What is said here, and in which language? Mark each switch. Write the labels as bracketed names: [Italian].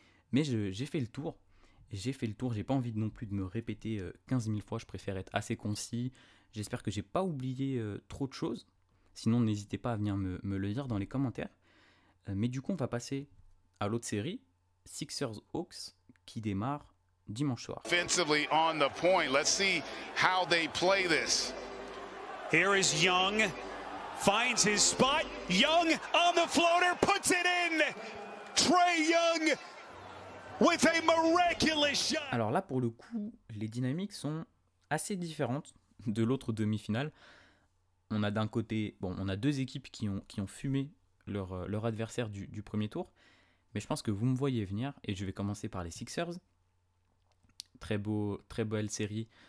[French] Mais j'ai fait le tour. J'ai fait le tour. J'ai pas envie non plus de me répéter 15 000 fois. Je préfère être assez concis. J'espère que j'ai pas oublié trop de choses. Sinon, n'hésitez pas à venir me le dire dans les commentaires. Mais du coup, on va passer à l'autre série, Sixers Hawks, qui démarre dimanche soir. [English] Offensively on the point. Let's see how they play this. Here is Young, finds his spot. Young on the floater, puts it in. Trey Young with a miraculous shot. [French] Alors là, pour le coup, les dynamiques sont assez différentes de l'autre demi-finale. On a d'un côté, bon, on a deux équipes qui ont fumé leur adversaire du premier tour. Mais je pense que vous me voyez venir et je vais commencer par les Sixers. Très belle série.